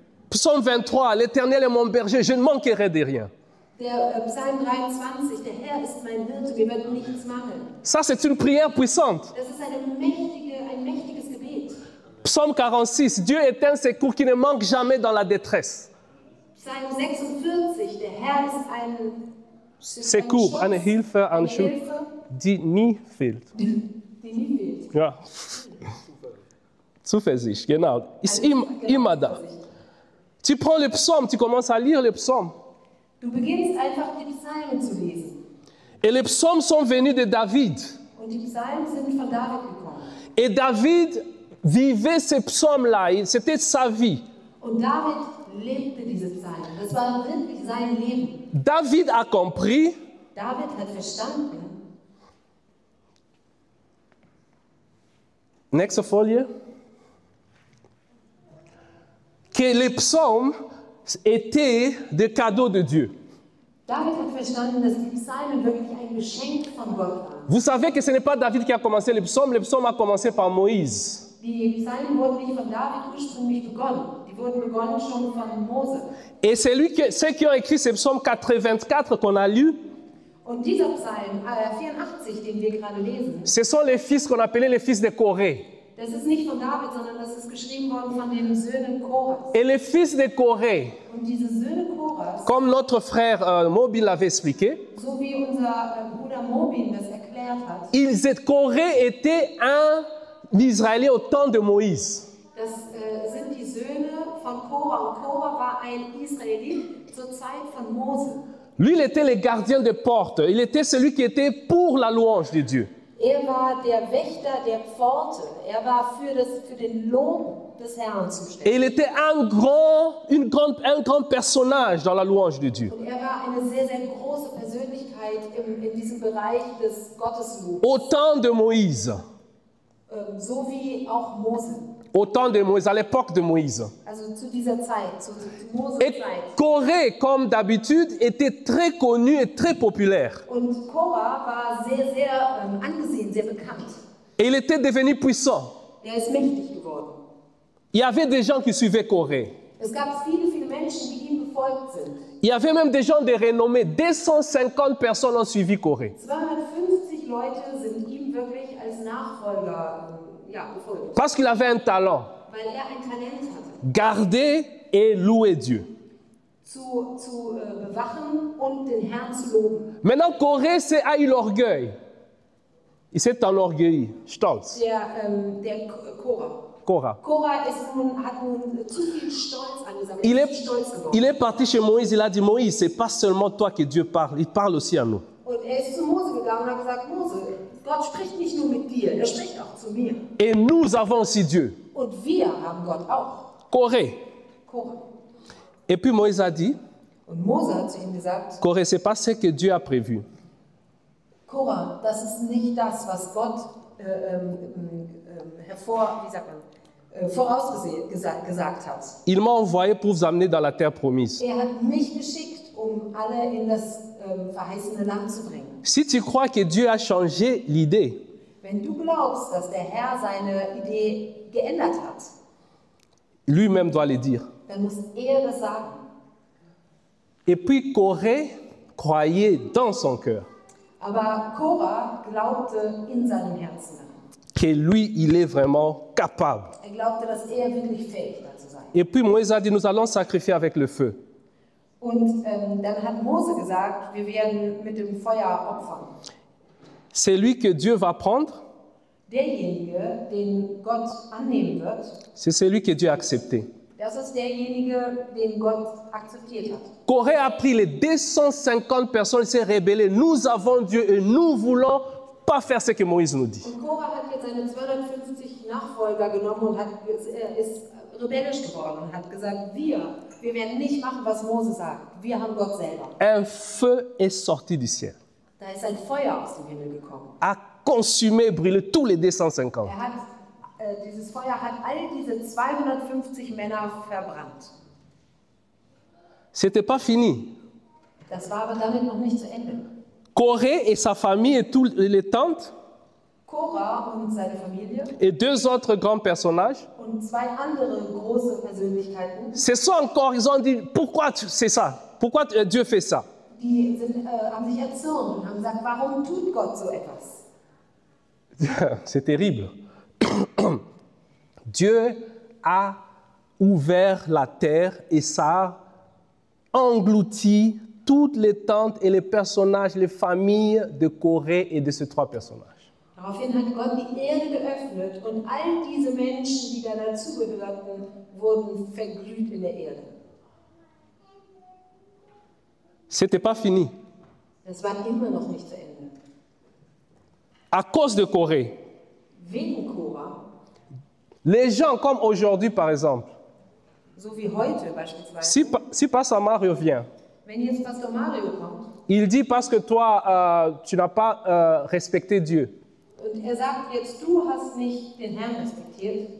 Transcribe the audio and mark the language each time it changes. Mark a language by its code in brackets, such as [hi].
[fr] Psaume 23, l'Éternel est mon berger, je ne manquerai de rien. [de] Psalm 23, der Herr ist mein Hirte, wir werden nichts mangeln. [fr] Ça, c'est une prière puissante. [de] Das ist ein mächtiges Gebet. [fr] Psalm 46, Dieu est un secours qui ne manque jamais dans la détresse. [de] Psalm 46, der Herr ist ein [fr] Secours, [de] ein Schutz, eine Hilfe, ein Schutz, die nie fehlt. Die nie fehlt. Ja. Zuversicht, genau. Ist also, immer da. [fr] Tu prends le psaume, tu commences à lire le psaume. [de] Du beginnst einfach die Psalmen zu lesen. [fr] Et les psaumes sont venus de David. [de] Und die Psalmen sind von David gekommen. [fr] Et David vivait ces psaumes-là, c'était sa vie. [de] Und David lebte diese Psalmen. Das war wirklich sein Leben. [fr] David a compris. [de] David hat verstanden. Nächste Folie. [fr] Que les psaumes étaient des cadeaux de Dieu. [de] David hat verstanden, dass die Psalmen wirklich ein Geschenk von Gott waren. [fr] Vous savez que ce n'est pas David qui a commencé les psaumes a commencé par Moïse. [de] Die Psalmen wurden nicht von David ursprünglich begonnen. Die wurden begonnen schon von Mose. [fr] Et ceux qui ont écrit ces psaumes 84 qu'on a lu. [de] Und dieser Psalm 84, den wir gerade lesen. [fr] Ce sont les fils qu'on appelait les fils de Corée. [de] Das ist nicht von David, sondern das ist geschrieben worden von den Söhnen Korahs. [fr] Et les fils de Corée. [de] Und diese Söhne Korahs. [fr] Comme notre frère Mobin l'avait expliqué. [de] So wie unser Bruder Mobin das erklärt hat. [fr] Ils étaient Corée était un Israélien au temps de Moïse. [de] Das sind die Söhne von Korah. Und Korah war ein Israelit zur Zeit von Mose. [fr] Lui, il était le gardien de porte. Il était celui qui était pour la louange de Dieu. [de] Er war der Wächter der Pforte. Er war für den Lob des Herrn zuständig. [fr] Et il était un grand personnage dans la louange de Dieu. [de] Und er war eine sehr, sehr große Persönlichkeit in diesem Bereich des Gotteslobes. [fr] Au temps de Moïse. [de] So wie auch Mose. [fr] Au temps de Moïse, à l'époque de Moïse. [de] Also zu dieser Zeit, zu Moses Zeit. [fr] Et Corée, comme d'habitude, était très connu et très populaire. [de] Und Korah war sehr, sehr angesehen, sehr bekannt. [fr] Et il était devenu puissant. [de] Er ist mächtig geworden. [fr] Il y avait des gens qui suivaient Corée. [de] Es gab viele, viele Menschen, die ihm gefolgt sind. [fr] Il y avait même des gens de renommée. 250 personnes ont suivi Corée. [de] 250 Leute sind ihm wirklich als Nachfolger. [fr] Parce qu'il avait un talent. [de] Weil er ein Talent hatte. [fr] Garder et louer Dieu. [de] Zu bewachen und den Herrn zu loben. [fr] Maintenant, Corée c'est a eu l'orgueil. Il s'est enorgueilli. [de] Stolz. Der Korah. Korah. Korah est nun zu viel Stolz angesammelt. [fr] Il est parti chez Moïse, il a dit, Moïse, c'est pas seulement toi que Dieu parle, il parle aussi à nous. [de] Und er ist zu Mose gegangen und hat gesagt, Mose, Gott spricht nicht nur mit dir, er spricht auch zu mir. [fr] Et nous avons aussi Dieu. [de] Und wir haben Gott auch. [fr] Korah. Et puis Moïse a dit, [de] und Mose hat zu ihm gesagt, [fr] Korah, c'est pas ce que Dieu a prévu. [de] Korah, das ist nicht das, was Gott vorausgesagt hat. [fr] Il m'a envoyé pour vous amener dans la terre promise. [de] Er hat mich geschickt, um alle in das verheißene Land zu bringen. [fr] Si tu crois que Dieu a changé l'idée, [de] wenn du glaubst, dass der Herr seine Idee geändert hat, [fr] lui-même doit le dire. [de] Dann muss er das sagen. [fr] Et puis Korah croyait dans son cœur. [de] Aber Korah glaubte in seinem Herzen. [fr] Que lui, il est vraiment capable. [de] Er glaubte, dass er wirklich fähig dazu sein. [fr] Et puis Moïse a dit, nous allons sacrifier avec le feu. [de] Und dann hat Mose gesagt, wir werden mit dem Feuer opfern. [fr] C'est lui que Dieu va prendre. [de] Derjenige, den Gott annehmen wird. [fr] C'est celui que Dieu a accepté. [de] Das ist derjenige, den Gott akzeptiert hat. [fr] Korah a pris les 250 personnes, il s'est rebellé. Nous avons Dieu et nous voulons pas faire ce que Moïse nous dit. [de] Und Korah hat jetzt seine 250 Nachfolger genommen und ist rebellisch geworden und hat gesagt, wir werden nicht machen, was Mose sagt. Wir haben Gott selber. [fr] Un feu est sorti du ciel. [de] Da ist ein Feuer aus dem Himmel gekommen. [fr] A consumé, brûlé tous les 250. [de] Dieses Feuer hat all diese 250 Männer verbrannt. [fr] C'était pas fini. [de] Das war aber damit noch nicht zu Ende. [fr] Korah et sa famille et tous les tantes. [de] Korah und seine Familie. [fr] Et deux autres grands personnages. [de] Und zwei andere große Persönlichkeiten. [fr] C'est ça encore, ils ont dit, pourquoi c'est ça? Pourquoi Dieu fait ça? [de] Die haben sich erzürnt und haben gesagt, warum tut Gott so etwas? [fr] C'est terrible. Dieu a ouvert la terre et ça a englouti toutes les tentes et les personnages, les familles de Korah et de ces trois personnages. [de] Daraufhin hat Gott die Erde geöffnet und all diese Menschen, die da dazugehörten, wurden verglüht in der Erde. [fr] C'était pas fini. [de] Das war immer noch nicht zu Ende. [fr] À cause de Korah. [de] Wegen Korah. [fr] Les gens comme aujourd'hui, par exemple. [de] So wie heute, beispielsweise. [fr] Si Pastor Mario vient. [de] Wenn jetzt Pastor Mario kommt. [fr] Il dit parce que toi, tu n'as pas respecté Dieu. [de] Und er sagt jetzt, du hast nicht den Herrn respektiert.